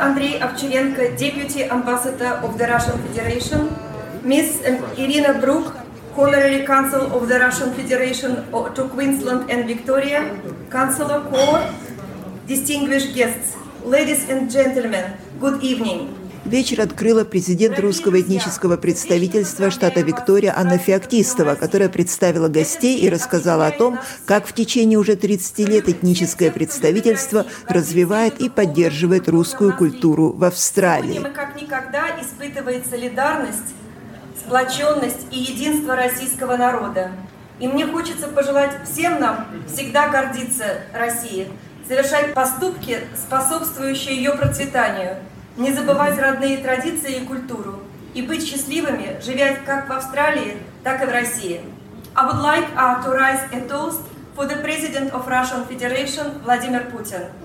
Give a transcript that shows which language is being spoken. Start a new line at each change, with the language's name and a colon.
English: Andrei Avcherenko, Deputy Ambassador of the Russian Federation. Ms. Irina Brook, Honorary Consul of the Russian Federation to Queensland and Victoria. Councillor Kaur, distinguished guests, ladies and gentlemen, good evening.
Russian: Вечер открыла президент русского этнического представительства штата Виктория Анна Феоктистова, которая представила гостей и рассказала о том, как в течение уже 30 лет этническое представительство развивает и поддерживает русскую культуру в Австралии. Мы как никогда испытываем солидарность, сплоченность и единство российского народа. И мне хочется пожелать всем нам всегда гордиться Россией, совершать поступки, способствующие ее процветанию, не забывать родные традиции и культуру, и быть счастливыми, живя как в Австралии, так и в России.
English: I would like to rise a toast for the President of Russian Federation, Владимир Путин.